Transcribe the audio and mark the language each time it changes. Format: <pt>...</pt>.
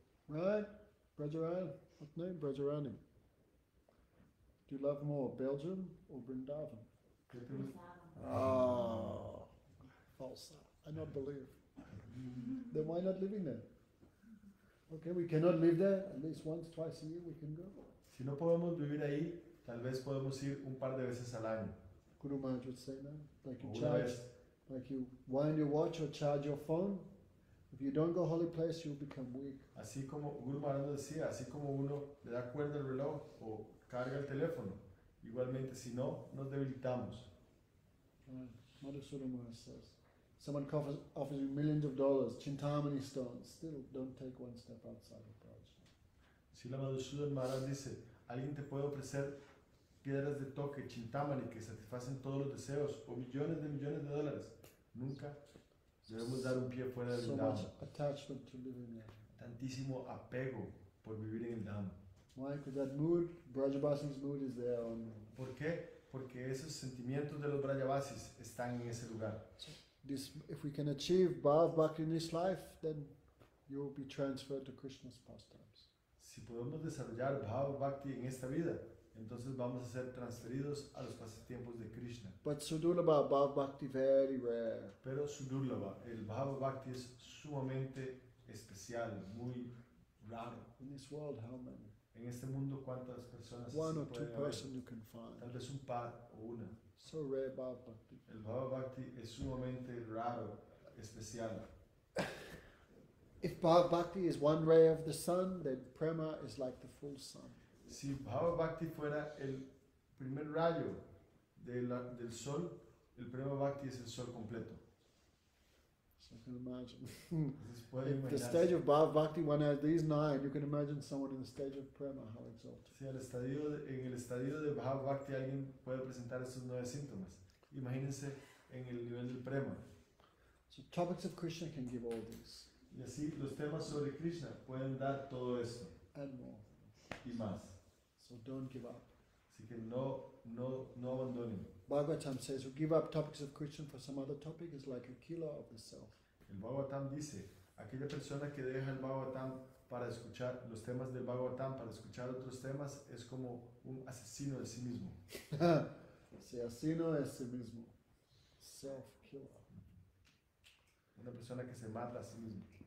<en>Right? Brajarani. What name? Brajarani. Do you love more Belgium or Vrindavan? Oh, false. I don't believe. Then why not living there? Okay, we cannot live there. At least once, twice a year we can go.</en> <es>Si no podemos vivir ahí, tal vez podemos ir un par de veces al año.</es> <en>Guru Maharaj would say now, like you charge, like you wind your watch or charge your phone. If you don't go holy place, you'll become weak.</en> <es>Así como Guru Maharaj decía, así como uno le da cuerda al reloj o carga el teléfono, igualmente si no, nos debilitamos.</es> <en>Madhusudan Maharaj says, someone offers you millions of dollars, Chintamani stones, still don't take one step outside of Prajna.</en> <es>Srila Madhusudan Maharaj dice, alguien te puede ofrecer piedras de toque, Chintamani, que satisfacen todos los deseos, o millones de dólares. Nunca debemos dar un pie fuera del</es> <en>so</en> <es>Dhamma.</es> <en>So much attachment to living there.</en> <es>Tantísimo apego por vivir en el Dhamma.</es> <en>Why? Because that mood, Brajabasi's mood is there on.</en> <es>¿Por qué? Porque esos sentimientos de los Brajabasis están en ese lugar.</es> <en>This, if we can achieve Bhav Bhakti in this life, then you will be transferred to Krishna's pastimes.</en> <es>Si podemos desarrollar Bhav Bhakti en esta vida, entonces vamos a ser transferidos a los pasatiempos de Krishna.</es> <en>But Sudurlabha Bhav Bhakti very rare.</en> <es>Pero Sudurlabha, el Bhav Bhakti es sumamente especial, muy raro.</es> <en>In this world, how many?</en> <es>En este mundo, ¿cuántas personas se pueden ver?</es> <en>One or two persons you can find.</en> <es>Tal vez un par o una.</es> <en>So rare Bhav Bhakti.</en> <es>El Bhav Bhakti es sumamente raro, especial.</es> <en>If Bhav Bhakti is one ray of the sun, then Prema is like the full sun.</en> <es>Si Bhav Bhakti fuera el primer rayo del sol, el Prema Bhakti es el sol completo.</es> <en>So you can imagine. If the stage of Bhav Bhakti, one has these nine, you can imagine someone in the stage of Prema, how exalted.</en> <es>Sí, en el estadio de Bhav Bhakti, alguien puede presentar esos 9 síntomas. Imagínense en el nivel del Prema.</es> <en>So topics of Krishna can give all these.</en> <es>Y así, los temas sobre Krishna pueden dar todo eso.</es> <en>And more.</en> <es>Y más.</es> <en>So don't give up.</en> <es>Así que no abandonen.</es> <en>Bhagavatam says, who give up topics of Krishna for some other topic is like a killer of the self.</en> <es>El Bhagavatam dice, aquella persona que deja el Bhagavatam para escuchar los temas del Bhagavatam para escuchar otros temas es como un asesino de sí mismo. Sí, asesino de sí mismo.</es> <en>Self killer.</en> <es>Una persona que se mata a sí mismo.</es>